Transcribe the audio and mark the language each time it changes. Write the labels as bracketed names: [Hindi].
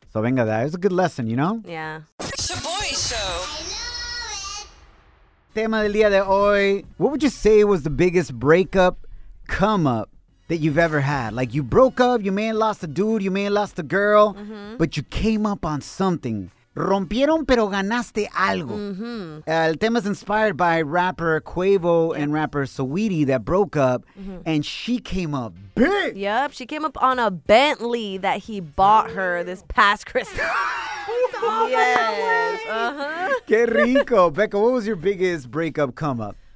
[English] So venga, that is a good lesson, you know? Yeah. It's a boy show. [Spanish] Tema del día de hoy. [English] What would you say was the biggest breakup come up that you've ever had? Like, you broke up, you may have lost a dude, you may have lost a girl, but you came up on something. [Spanish] Rompieron, pero ganaste algo. [English] El tema is inspired by rapper Quavo and rapper Saweetie that broke up, and she came up big. Yep, she came up on a Bentley that he bought her this past Christmas. [Spanish] Qué rico. [English] Becca, what was your biggest breakup come up?